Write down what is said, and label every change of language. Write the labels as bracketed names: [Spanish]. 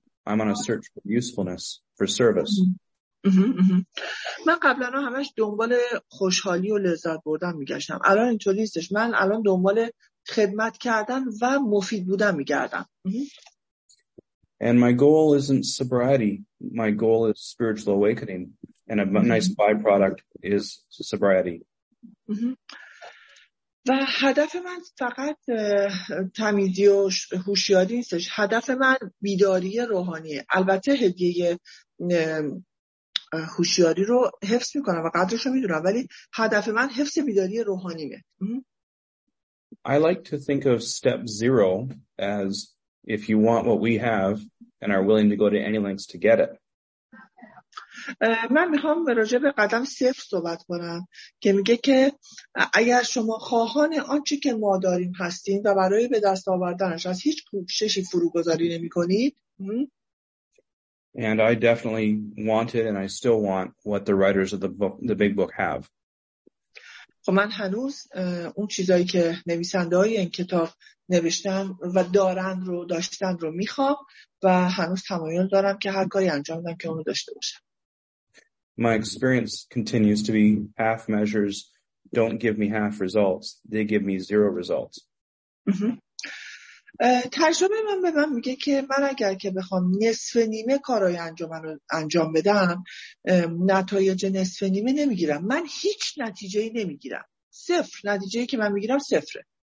[English] I'm on a search for usefulness, for service. [Persian] من قبلا همش دنبال خوشحالی و لذت بردن میگشتم، الان اینطوری نیستش، من الان دنبال خدمت کردن و مفید بودن میگردم. [English] And my goal isn't sobriety, my goal is spiritual awakening, and a nice byproduct is sobriety. [Persian] و هدف من فقط تمیزی و هوشیاری نیستش، هدف من بیداری روحانیه. البته هدیه هوشیاری رو حفظ میکنم و قدرش رو میدونم، ولی هدف من حفظ بیداری روحانیمه. [English] I like to think of step zero as if you want what we have and are willing to go to any lengths to get it. [Persian] من میخوام راجع به قدم صفر صحبت کنم که میگه که اگر شما خواهان آنچه که ما داریم هستیم و برای به دست آوردنش از هیچ کوششی فروگذاری نمی کنید. [English] And I definitely wanted and I still want what the writers of the big book have. [Persian] خب من هنوز اون چیزایی که نویسنده های این کتاب نوشتن و دارن رو داشتن رو میخوام و هنوز تمایل دارم که هر کاری انجام بدم که اون رو داشته باشم. [English] My experience continues to be half measures don't give me half results, they give me zero results. [Persian] تجربه من به من میگه که من اگر که بخوام نصف نیمه کارهای انجمن رو انجام بدم نتایج نصف نیمه نمیگیرم، من هیچ نتیجه ای نمیگیرم، صفر، نتیجه ای که من میگیرم صفره.